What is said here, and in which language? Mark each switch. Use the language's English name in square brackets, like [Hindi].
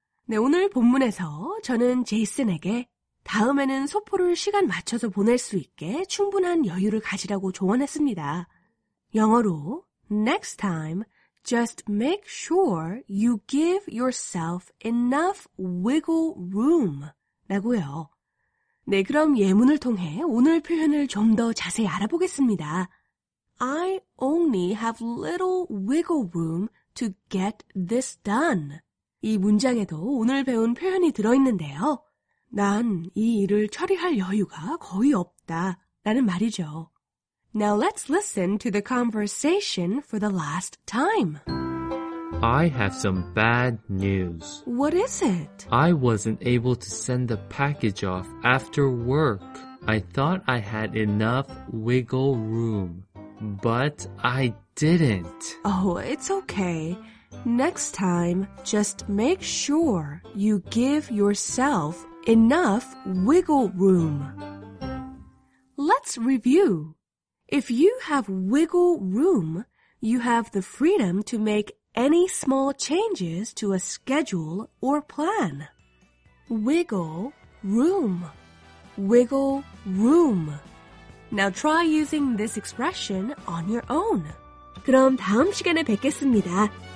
[Korean] 네, 오늘 본문에서 저는 제이슨에게 다음에는 소포를 시간 맞춰서 보낼 수 있게 충분한 여유를 가지라고 조언했습니다. 영어로 [English] Next time, just make sure you give yourself enough wiggle room [Korean] 라고요. 네, 그럼 예문을 통해 오늘 표현을 좀 더 자세히 알아보겠습니다. [English] I only have little wiggle room to get this done. [Korean] 이 문장에도 오늘 배운 표현이 들어있는데요. 난 이 일을 처리할 여유가 거의 없다 라는 말이죠. [English] Now let's listen to the conversation for the last time. I have some bad news. What is it? I wasn't able to send the package off after work. I thought I had enough wiggle room, but I didn't. Oh, it's okay. Next time, just make sure you give yourself enough wiggle room. Let's review. If you have wiggle room, you have the freedom to make any small changes to a schedule or plan. Wiggle room. Wiggle room. Now try using this expression on your own. [Korean] 그럼 다음 시간에 뵙겠습니다.